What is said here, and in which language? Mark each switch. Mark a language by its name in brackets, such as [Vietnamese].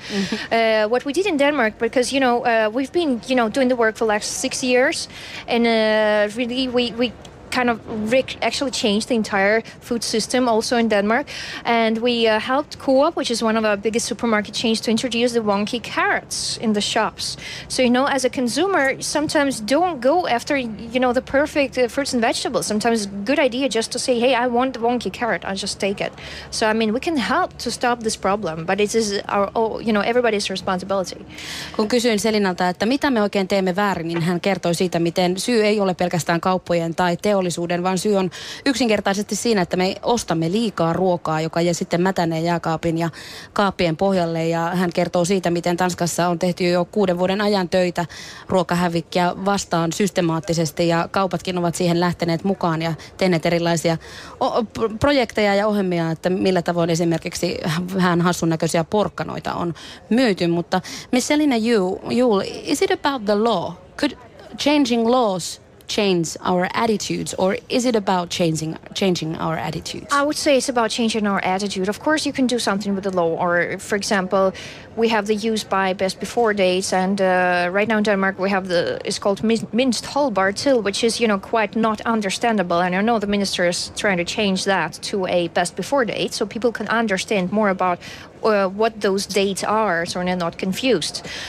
[English] What we did in Denmark, because, you know, we've been, you know, doing the work for like 6 years, and really we kind of actually changed the entire food system also in Denmark, and we helped Coop, which is one of our biggest supermarket chains, to introduce the wonky carrots in the shops. So, you know, as a consumer, sometimes don't go after, you know, the perfect fruits and vegetables. Sometimes it's a good idea just to say, hey, I want the wonky carrot, I'll just take it. So, I mean, we can help to stop this problem, but it is our, you know, everybody's responsibility. [Finnish] Kun kysyin Selinalta, että mitä me oikein teemme väärin, niin hän kertoi siitä, miten syy ei ole pelkästään kauppojen tai teollisuuden, vaan syy on yksinkertaisesti siinä, että me ostamme liikaa ruokaa, joka jää sitten mätäneen jääkaapin ja kaappien pohjalle. Ja hän kertoo siitä, miten Tanskassa on tehty jo 6 vuoden ajan töitä ruokahävikkiä vastaan systemaattisesti, ja kaupatkin ovat siihen lähteneet mukaan ja tehneet erilaisia projekteja ja ohjelmia, että millä tavoin esimerkiksi vähän hassun näköisiä porkkanoita on myyty. Mutta [English] Miss Selina Juul, is it about the law? Could changing laws change our attitudes, or is it about changing our attitudes? I would say it's about changing our attitude. Of course, you can do something with the law, or for example, we have the use by best before dates, and right now in Denmark we have it's called minced halvbart till, which is, you know, quite not understandable, and I know the minister is trying to change that to a best before date, so people can understand more about what those dates are, so they're not confused.